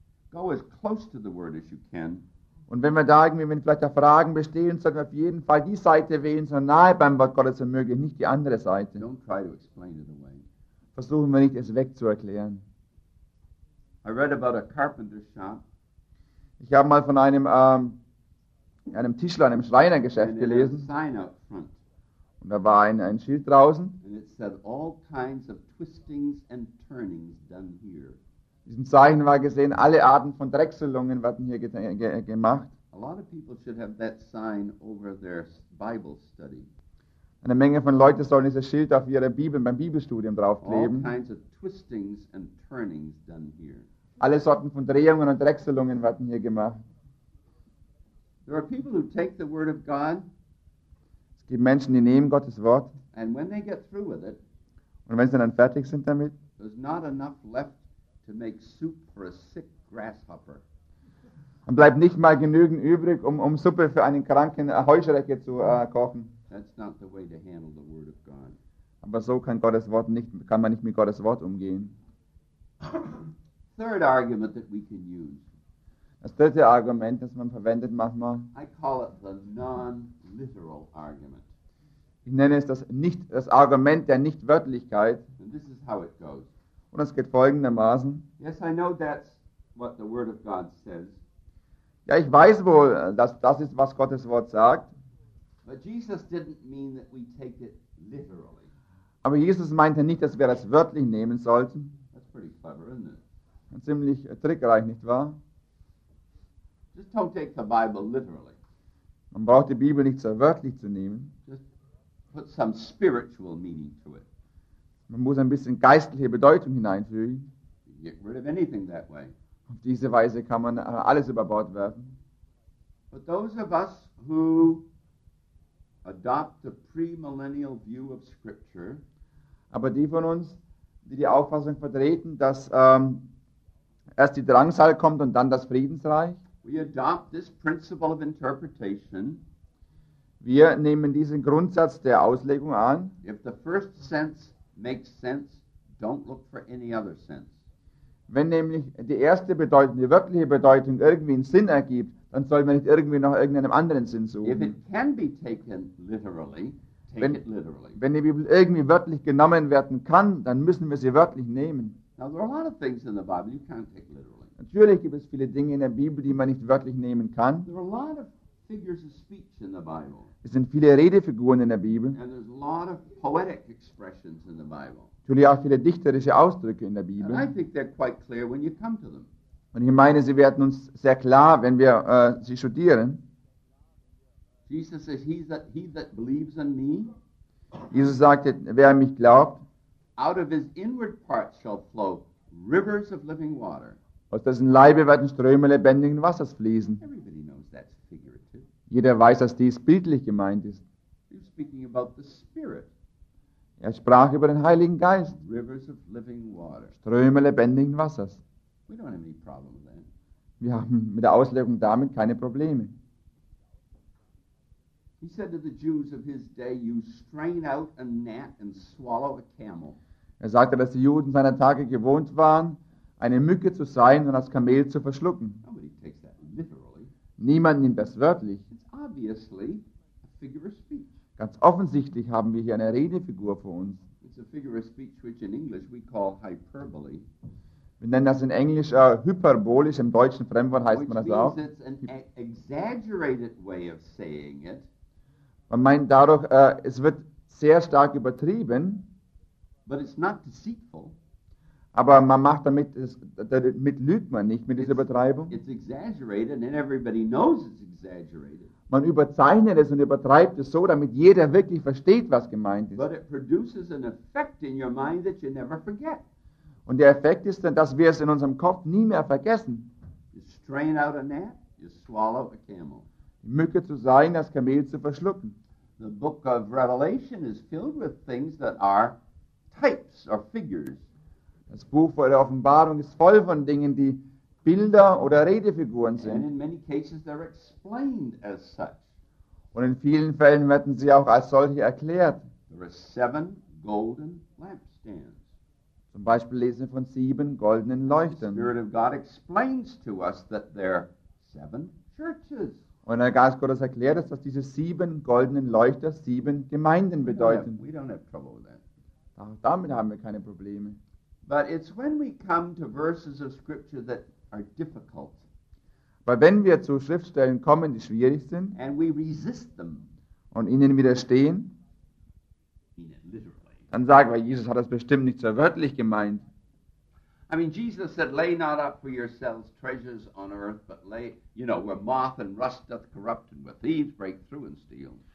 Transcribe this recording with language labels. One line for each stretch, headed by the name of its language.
English: Go as close to the word as you can.
German: Und wenn wir da irgendwie, wenn vielleicht da Fragen bestehen, sollten wir auf jeden Fall die Seite wählen, so nahe beim Wort Gottes wie möglich, nicht die andere Seite.
English: Don't try to explain it away.
German: Versuchen wir nicht, es wegzuerklären.
English: I read about a carpenter shop.
German: Ich habe mal von einem, einem Tischler, einem Schreinergeschäft gelesen. Und da war ein Schild draußen.
English: And it said all kinds of twistings and turnings done here.
German: Diesem Zeichen war gesehen, alle Arten von Drechselungen werden hier gemacht.
English: A lot of people should have that sign over their Bible study.
German: Eine Menge von Leuten sollen dieses Schild auf ihre Bibel beim Bibelstudium draufkleben.
English: All kinds of twistings and turnings done here.
German: Alle Sorten von Drehungen und Drechselungen werden hier gemacht.
English: There are people who take the word of God.
German: Es gibt Menschen, die nehmen Gottes Wort.
English: And when they get through with it,
German: und wenn sie dann fertig sind damit,
English: there's not enough left to make soup for a sick grasshopper.
German: Und bleibt nicht mal genügend übrig, um Suppe für einen kranken Heuschrecke zu kochen.
English: That's not the way to handle the word of God.
German: Aber so kann man nicht mit Gottes Wort umgehen.
English: Third argument that we can use.
German: Das dritte Argument, das man verwendet manchmal.
English: I call it the non-literal argument.
German: Ich nenne es das Argument der Nichtwörtlichkeit.
English: And this is how it goes.
German: Und es geht folgendermaßen.
English: Yes, I know that's what the word of God says.
German: Ja, ich weiß wohl, dass das ist, was Gottes Wort sagt.
English: But Jesus didn't mean that we take it literally.
German: Aber Jesus meinte nicht, dass wir das wörtlich nehmen sollten.
English: That's pretty clever, isn't it?
German: Und ziemlich trickreich, nicht wahr?
English: Just don't take the Bible literally.
German: Man braucht die Bibel nicht so wörtlich zu nehmen.
English: Just put some spiritual meaning to it.
German: Man muss ein bisschen geistliche Bedeutung hineinfügen.
English: Get rid of anything that way.
German: Auf diese Weise kann man alles über Bord werfen.
English: But those of us who adopt the premillennial view of Scripture,
German: aber die von uns, die Auffassung vertreten, dass erst die Drangsal kommt und dann das Friedensreich,
English: we adopt this principle of interpretation.
German: Wir nehmen diesen Grundsatz der Auslegung an.
English: If the first sense makes sense, don't look for any other sense.
German: Wenn nämlich die erste Bedeutung, die wirkliche Bedeutung, irgendwie einen Sinn ergibt, dann soll man nicht irgendwie noch irgendeinem anderen Sinn suchen.
English: If it can be taken literally, it literally.
German: Wenn die Bibel irgendwie wörtlich genommen werden kann, dann müssen wir sie wörtlich nehmen.
English: Now there are a lot of things in the Bible you can't take literally.
German: Natürlich gibt es viele Dinge in der Bibel, die man nicht wörtlich nehmen kann.
English: There are a lot of figures of speech in the Bible.
German: Es sind viele Redefiguren in der Bibel.
English: And there's a lot of poetic expressions in the Bible.
German: Natürlich auch viele dichterische Ausdrücke in der Bibel.
English: And I think they're quite clear when you come to them.
German: Und ich meine, sie werden uns sehr klar, wenn wir sie studieren.
English: Jesus says, he that believes in me.
German: Jesus sagte, wer an mich glaubt.
English: Out of his inward parts shall flow rivers of living water.
German: Aus dessen Leibe werden Ströme lebendigen Wassers fließen.
English: Everybody knows that's figurative.
German: Jeder weiß, dass dies bildlich gemeint ist.
English: He's speaking about the Spirit.
German: Er sprach über den Heiligen Geist.
English: Rivers of living water.
German: Ströme lebendigen Wassers.
English: We don't have any problem with that.
German: Wir haben mit der Auslegung damit keine Probleme.
English: He said to the Jews of his day, you strain out a gnat and swallow a camel.
German: Er sagte, dass die Juden seiner Tage gewohnt waren, eine Mücke zu sein und das Kamel zu verschlucken.
English: Nobody takes that literally.
German: Niemand nimmt das wörtlich.
English: It's obviously a figure of speech.
German: Ganz offensichtlich haben wir hier eine Redefigur vor uns.
English: It's a figure of speech which in English we call hyperbole.
German: Wir nennen das in Englisch hyperbolisch, im deutschen Fremdwort heißt
English: which
German: man das
English: means
German: auch.
English: It's an exaggerated way of saying it.
German: Man meint dadurch, es wird sehr stark übertrieben.
English: But it's not deceitful.
German: Aber man macht damit lügt man nicht mit dieser Übertreibung.
English: It's exaggerated and everybody knows it's exaggerated.
German: Man überzeichnet es und übertreibt es so, damit jeder wirklich versteht, was gemeint ist.
English: But it produces an effect in your mind that you never forget.
German: Und der Effekt ist dann, dass wir es in unserem Kopf nie mehr vergessen.
English: You strain out a gnat, you swallow a camel.
German: Mücke zu sein, das Kamel zu verschlucken.
English: The book of Revelation is filled with things that are types or figures.
German: Das Buch von der Offenbarung ist voll von Dingen, die Bilder oder Redefiguren sind.
English: And in many cases they're explained as such.
German: Und in vielen Fällen werden sie auch als solche erklärt.
English: There are seven golden lampstands.
German: Zum Beispiel lesen wir von sieben goldenen Leuchtern.
English: The Spirit of God explains to us that there are seven churches.
German: Und der Geist Gottes erklärt es, dass diese sieben goldenen Leuchter sieben Gemeinden bedeuten.
English: We don't have trouble with that.
German: Ach, damit haben wir keine Probleme.
English: But it's when we come to verses of scripture that are difficult.
German: Weil wenn wir zu Schriftstellen kommen, die schwierig sind,
English: and we resist them,
German: und ihnen widerstehen,
English: mean it literally.
German: Dann sagen wir, Jesus hat das bestimmt nicht so wörtlich gemeint.
English: I mean, Jesus said, lay not up for yourselves treasures on earth, but lay, you know, where moth and rust doth corrupt, and where thieves break through and steal.